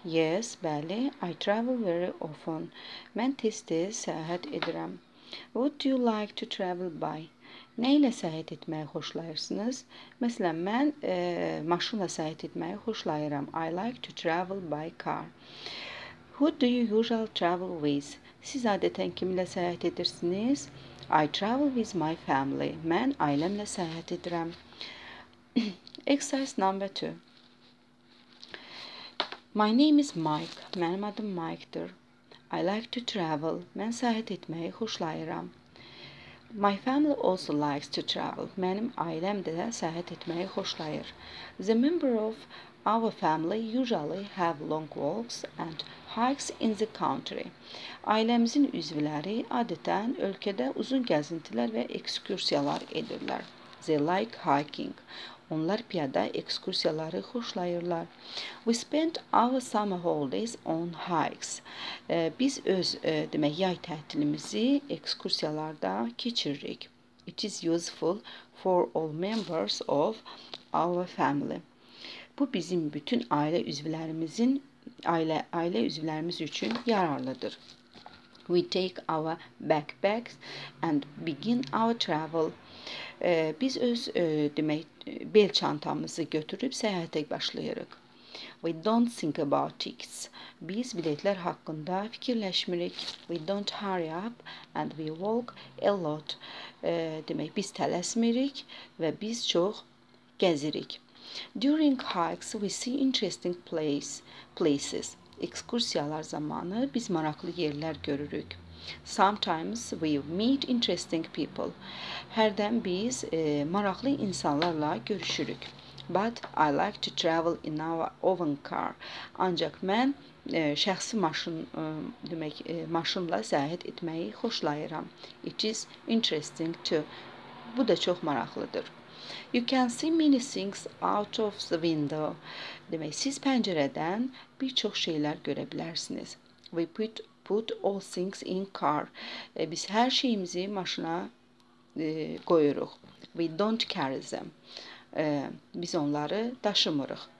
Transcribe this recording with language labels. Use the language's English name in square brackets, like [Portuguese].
[English] Yes, bəli, I travel very often. [Azerbaijani] Ben tez-tez seyahat edirəm. [English] What do you like to travel by? [Azerbaijani] Nə ilə səyahət etməyi xoşlayırsınız? Məsələn, mən maşınla səyahət etməyi xoşlayıram. [English] I like to travel by car. Who do you usually travel with? [Azerbaijani] Siz adətən kimlə səyahət edirsiniz? [English] I travel with my family. [Azerbaijani] Mən ailəmlə səyahət edirəm. [English] Exercise number 2. My name is Mike. [Azerbaijani] Mənim adım Mike'dir. [English] I like to travel. [Azerbaijani] Mən səyahət etməyi xoşlayıram. [English] My family also likes to travel. [Azerbaijani] Mənim ailəm də səyahət etməyi xoşlayır. [English] The member of our family usually have long walks and hikes in the country. [Azerbaijani] Ailəmizin üzvləri adətən ölkədə uzun gəzintilər və ekskursiyalar edirlər. [English] They like hiking. [Azerbaijani] Onlar piyada ekskursiyaları xoşlayırlar. [English] We spend our summer holidays on hikes. [Azerbaijani] Biz öz demək yay tətilimizi ekskursiyalarda keçiririk. [English] It is useful for all members of our family. [Azerbaijani] Bu bizim bütün ailə üzvlərimizin ailə üzvlərimiz üçün yararlıdır. [English] We take our backpacks and begin our travel. [Azerbaijani] Biz öz demək bel çantamızı götürüb səyahətə başlayırıq. [English] We don't think about tickets. [Azerbaijani] Biz biletlər haqqında fikirləşmirik. [English] We don't hurry up and we walk a lot. [Azerbaijani] Demək biz tələsmirik və biz çox gəzirik. [English] During hikes we see interesting places. [Azerbaijani] Ekskursiyalar zamanı biz maraqlı yerlər görürük. [English] Sometimes we meet interesting people. [Azerbaijani] Hərdən biz maraqlı insanlarla görüşürük. [English] But I like to travel in our own car. [Azerbaijani] Ancaq mən şəxsi maşın maşınla səyahət etməyi xoşlayıram. [English] It is interesting too. [Azerbaijani] Bu da çox maraqlıdır. [English] You can see many things out of the window. [Azerbaijani] Demək, siz pəncərədən bir çox şeylər görə bilərsiniz. [English] We put all things in car. [Azerbaijani] Biz hər şeyimizi maşına qoyuruq. [English] We don't carry them. [Azerbaijani] Biz onları daşımırıq.